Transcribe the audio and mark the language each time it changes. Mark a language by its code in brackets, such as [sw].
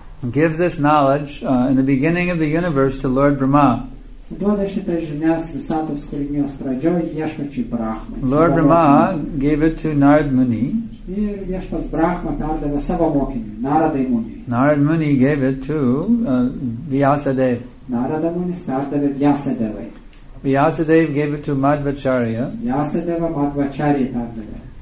[en] gives this knowledge in the beginning of the universe to Lord Brahma. [lt] Duoda šitas žinias visatos kūrinijos pradžioj viešpačiui Brahmai. [en] Lord Rama gave it to Narad Muni. [lt] Ir viešpats Brahma perdavė savo mokiniui, Naradai Muni. [en] Narad Muni gave it to Vyasadev. [lt] Narada Munis perdavė Vyasadevai. [en] Vyasadev gave it to Madhvacharya. [lt] Vyasadeva Madhvacharya perdavė.